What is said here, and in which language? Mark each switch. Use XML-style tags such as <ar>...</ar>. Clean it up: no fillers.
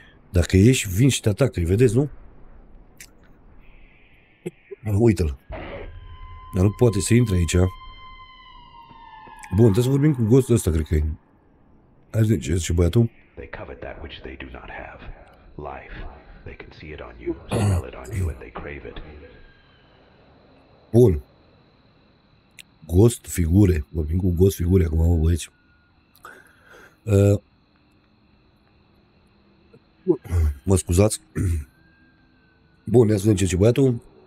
<ro>Dacă ieși, vin și te atacă. Îi vedeți, nu? Uite-l. Dar nu poate să intre aici. Bun, trebuie să vorbim cu ghostul ăsta, cred că e. Hai să zice, ce băiatul?</ro> <en>They covet that which they do not have. Life. They can see it on you, smell it on you, and they crave it.</en> <ro>Bun. Ghost figure, vorbim cu ghost figure acum, mă, băieți. Mă scuzați. Bun, ia să vedem ce băiatul.</ro>